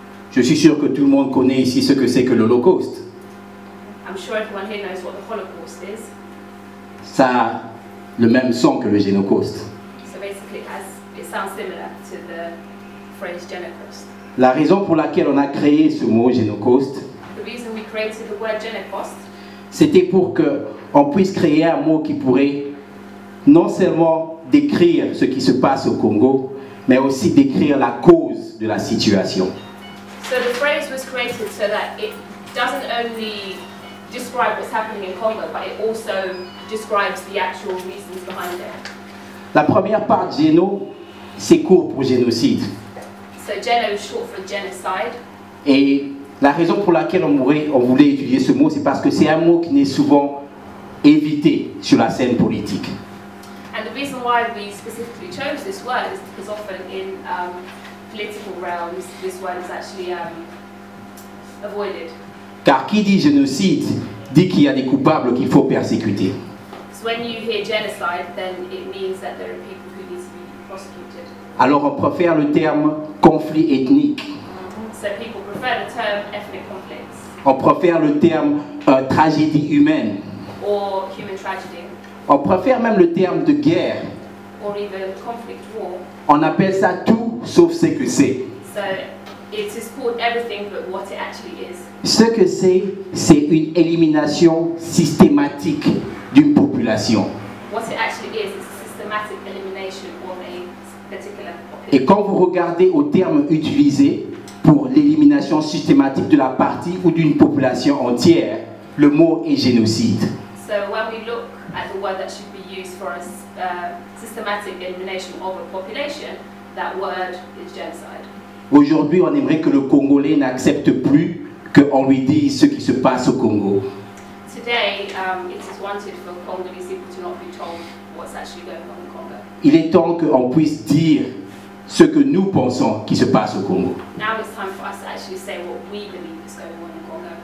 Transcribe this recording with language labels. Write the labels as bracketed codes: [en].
[fr] Je suis sûr que tout le monde connaît ici ce que c'est que l'Holocauste. [en] I'm sure everyone here knows what the Holocaust is. [fr] Ça a le même son que le génocide. [en] So basically, it sounds similar to the phrase genocide. [fr] La raison pour laquelle on a créé ce mot génocide. [en] The reason we created the word genocide. [fr] C'était pour que on puisse créer un mot qui pourrait non seulement décrire ce qui se passe au Congo, mais aussi décrire la cause de la situation. [en] So the phrase was created so that it doesn't only describe what's happening in Congo, but it also describes the actual reasons behind it. [fr] La première part, géno, c'est court pour génocide. [en] So geno is short for genocide. [fr] Et la raison pour laquelle on voulait étudier ce mot, c'est parce que c'est un mot qui n'est souvent évité sur la scène politique. [en] And the reason why we specifically chose this word is because often in political realms, this word is actually avoided. [fr] Car qui dit génocide dit qu'il y a des coupables qu'il faut persécuter. [en] So when you hear genocide, then it means that there are people who need to be prosecuted. [fr] Alors on préfère le terme conflit ethnique. [en] So people prefer the term ethnic conflicts. [fr] On préfère le terme tragédie humaine. [en] Or human tragedy. [fr] On préfère même le terme de guerre. [en] or even conflict war. [fr] On appelle ça tout sauf ce que c'est. [en] So it is called everything but what it actually is. [fr] Ce que c'est une élimination systématique d'une population. [en] What it actually is a systematic elimination of a particular population. [fr] Et quand vous regardez au terme utilisé pour l'élimination systématique de la partie ou d'une population entière, le mot est génocide. [en] So when we look at the word that should be used for a systematic elimination of a population, that word is genocide. [fr] Aujourd'hui, on aimerait que le Congolais n'accepte plus qu'on lui dise ce qui se passe au Congo. [en] Today, it is wanted for Congolese people to not be told what's actually going on in Congo. [fr] Il est temps qu'on puisse dire ce que nous pensons qui se passe au Congo. [en] Now it's time for us to actually say what we believe is going on in Congo.